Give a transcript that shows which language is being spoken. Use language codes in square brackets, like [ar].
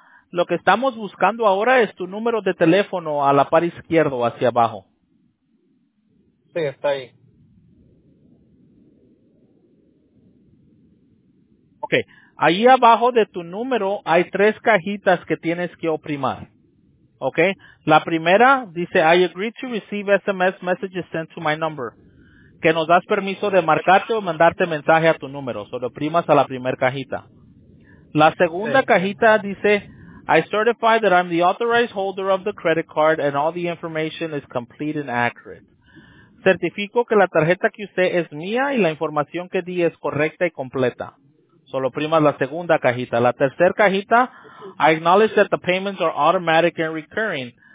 [es] Lo que estamos buscando ahora es tu número de teléfono a la par izquierdo, hacia abajo. Sí, está ahí. Ok, ahí abajo de tu número hay tres cajitas que tienes que oprimar. Okay. La primera dice, [en] I agree to receive SMS messages sent to my number. [es] Que nos das permiso de marcarte o mandarte mensaje a tu número. Solo oprimas a la primera cajita. La segunda cajita dice, [en] I certify that I'm the authorized holder of the credit card and all the information is complete and accurate. [es] Certifico que la tarjeta que usé es mía y la información que di es correcta y completa. Solo oprimas la segunda cajita. La tercera cajita, [en] I acknowledge that the payments are automatic and recurring.